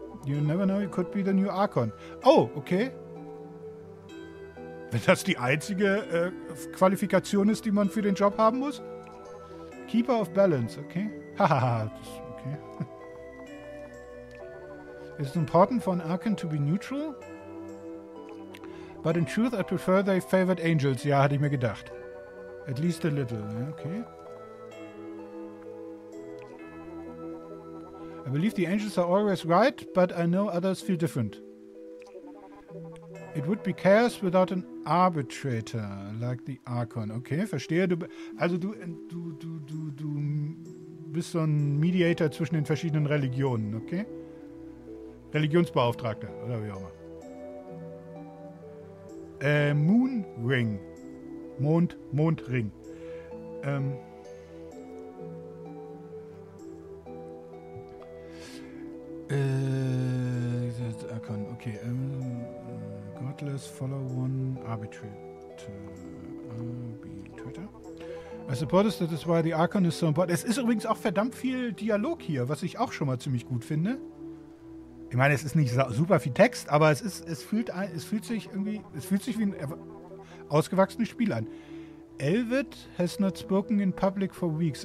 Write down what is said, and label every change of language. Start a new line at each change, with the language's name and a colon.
English: You never know, you could be the new Archon. Oh, okay.
German: Wenn das die einzige Qualifikation ist, die man für den Job haben muss?
English: Keeper of Balance, okay. Hahaha, okay. It's important for an Archon to be neutral. But in truth, I prefer their favorite angels.
German: Ja, hatte ich mir gedacht.
English: At least a little, yeah? Okay. I believe the angels are always right, but I know others feel different. It would be chaos without an arbitrator like the Archon.
German: Okay, verstehe. Du bist so ein Mediator zwischen den verschiedenen Religionen, okay? Religionsbeauftragter, oder wie auch immer.
English: Moon Ring. Mondring. Archon, okay. Godless Follow One Arbitrator. I suppose that is why the Archon is so important.
German: Es ist übrigens auch verdammt viel Dialog hier, was ich auch schon mal ziemlich gut finde. Ich meine, es ist nicht super viel Text, aber es fühlt sich wie ein ausgewachsenes Spiel an.
English: Elvet has not spoken in public for weeks.